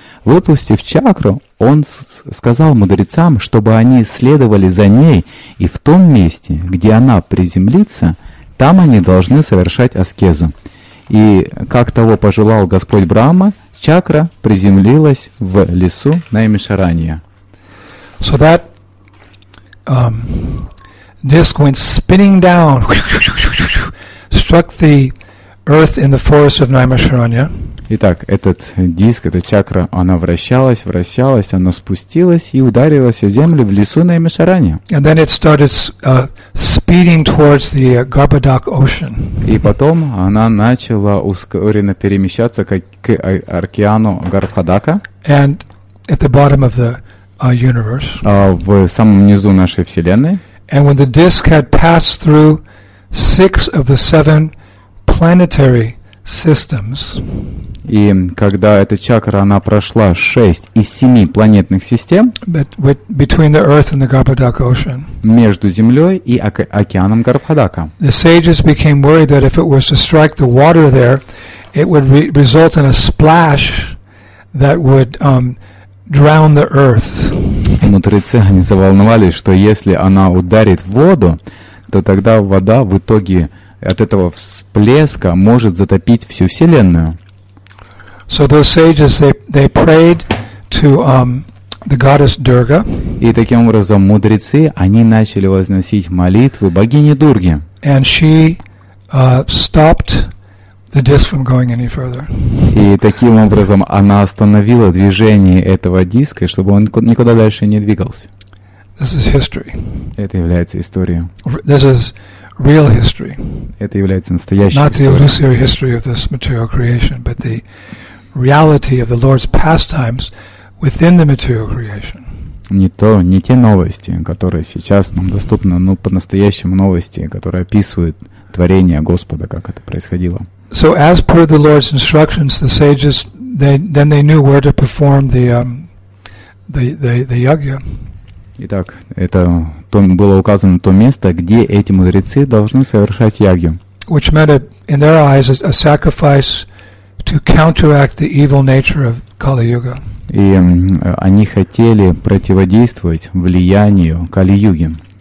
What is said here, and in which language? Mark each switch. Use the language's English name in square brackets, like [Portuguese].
[Russian] Выпустив чакру, он сказал мудрецам, чтобы они следовали за ней, и в том месте, где она приземлится, там они должны совершать аскезу. И, как того пожелал Господь Брахма, чакра приземлилась в лесу Наимишаранья. [English] So that disc went spinning down, struck the Earth in the forest of Naimasharanya. [Russian] Итак, этот диск, эта чакра, она вращалась, она спустилась и ударилась о землю в лесу Наимасаранья. [English] And then it started speeding towards the Garbhodak Ocean. [Russian] И потом она начала ускоренно перемещаться к океану Гарбхадака. [English] And at the bottom of the universe. [Russian] В самом низу нашей вселенной. [English] And when the disk had passed through 6 of the 7 planetary systems. [Russian] И когда эта чакра она прошла 6 из 7 планетных систем, [English] between the Earth and the Garbhodak Ocean, [Russian] между Землей и океаном Гарбхадака, [English] the sages became worried that if it was to strike the water there, it would result in a splash that would drown the Earth. [Russian] мудрые цыгане заволновались, что если она ударит в воду, то тогда вода в итоге от этого всплеска может затопить всю вселенную. [English] So those sages they prayed to the goddess Durga. [Russian] И таким образом мудрецы они начали возносить молитвы богине Дурге. [English] And she stopped the disc from going any further. [Russian] И таким образом она остановила движение этого диска, чтобы он никуда дальше не двигался. [English] This is history. [Russian] Это является историей. [English] This is real history. [Russian] Это является настоящей историей. [English] Not the illusory history of this material creation, but the reality of the Lord's pastimes within the material creation. [Russian] Не то, не те новости, которые сейчас нам доступны, но по-настоящему новости, которые описывают творение Господа, как это происходило. [English] So as per the Lord's instructions, the sages they knew where to perform the yagya. [Russian] Итак, это было указано то место, где эти мудрецы должны совершать ягью. [English] Which meant in their eyes is a sacrifice to counteract the evil nature of Kali-Yuga. [Russian] И они хотели противодействовать влиянию Кали-Юги.